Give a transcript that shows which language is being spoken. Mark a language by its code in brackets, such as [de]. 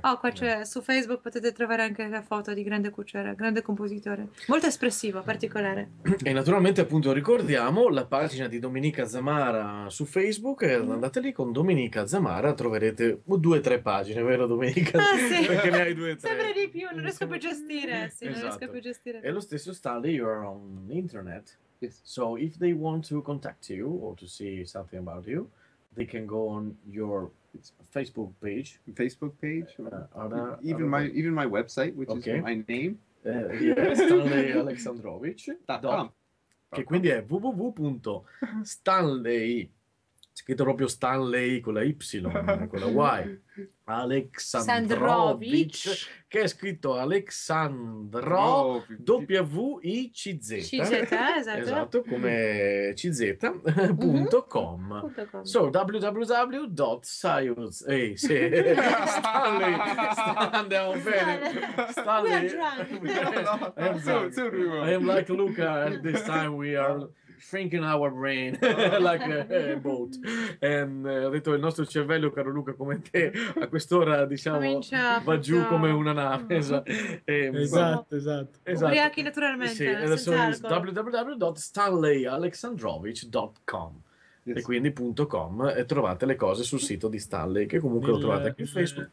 [it] Oh, qua c'è su Facebook, potete trovare anche la foto di grande Kučera, grande compositore, molto espressivo, particolare. E naturalmente, appunto, ricordiamo la pagina di Dominika Zamara su Facebook. Andate lì con Dominika Zamara, troverete due o tre pagine, vero Dominika? Ah, sì. Perché ne hai due o tre. Sempre di più, non riesco più a gestire. Sì, esatto. Non riesco più a gestire. E lo stesso sta lì, [en] you are on internet. Yes. So if they want to contact you or to see something about you, they can go on your Facebook page. Facebook page? Even my website, which okay. is my name. StanleyAleksandrovic.com. [it] Che quindi è www.stanley, scritto proprio Stanley con la Y, con la Y, Aleksandrovic, che è scritto Alexandro WICZ. CZ, esatto. Esatto, come CZ, mm-hmm. .com. So, www.sayus. Stanley, andiamo bene. [en] Stanley. We are drunk. I'm like Luca, this time we are shrinking our brain like a boat. [it] Ho detto il nostro cervello, caro Luca, come te, a quest'ora diciamo va giù come una nave. Esatto. Ubriachi naturalmente. Sì, adesso www.stanleyaleksandrovic.com. Yes. E quindi .com, e trovate le cose sul sito di Stanley, che comunque lo trovate anche su Facebook.